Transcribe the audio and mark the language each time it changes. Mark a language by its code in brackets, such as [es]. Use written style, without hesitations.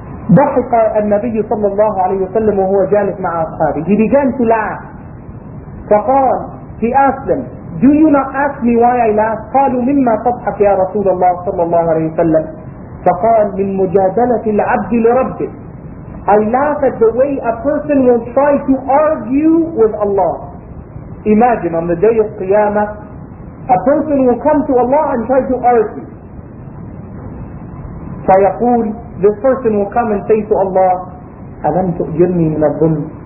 [ar] ضحك النبي صلى الله عليه وسلم وهو جالس مع أصحابه. [en] He began to laugh. فقال, he asked them, do you not ask me why I laugh? [ar] قالوا, مِمَّا تضحك يا رسول الله صلى الله عليه وسلم؟ فقال, مِن مُجَادَلَةِ الْعَبْدِ لِرَبِّهِ. [en] I laugh at the way a person will try to argue with Allah. Imagine on the day of Qiyamah, a person will come to Allah and try to argue. فيقول, this person will come and say to Allah, [ar] أَلَمْ تُؤْجِرْنِي مِنَ الظُّلْمِ.